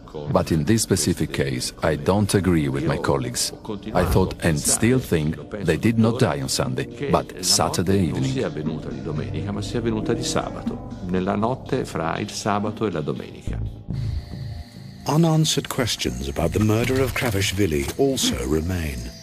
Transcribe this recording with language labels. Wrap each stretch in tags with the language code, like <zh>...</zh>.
<en>But in this specific case, I don't agree with my colleagues. I thought and still think they did not die on Sunday, but Saturday evening.</en> <it>Non sia avvenuta di domenica, ma sia avvenuta di sabato, nella notte fra il sabato e la domenica.</it> <en>Unanswered questions about the murder of Kravishvili also remain.</en>